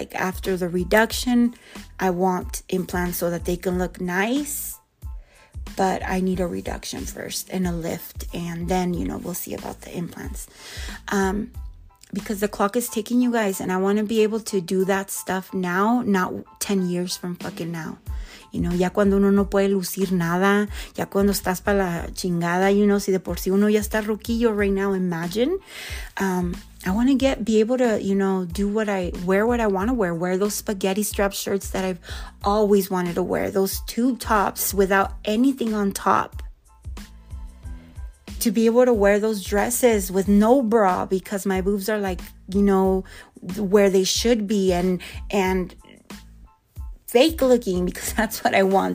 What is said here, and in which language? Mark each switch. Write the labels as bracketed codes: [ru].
[en] Like, after the reduction, I want implants so that they can look nice, but I need a reduction first and a lift. And then, you know, we'll see about the implants. Because the clock is ticking, you guys, and I want to be able to do that stuff now, not 10 years from fucking now. You know, [es] ya cuando uno no puede lucir nada, ya cuando estás para la chingada, [en] you know, [es] si de por sí uno ya está ruquillo [en] right now, imagine. I want to be able to, you know, wear what I want to wear. Wear those spaghetti strap shirts that I've always wanted to wear. Those tube tops without anything on top. To be able to wear those dresses with no bra because my boobs are like, you know, where they should be and fake looking because that's what I want.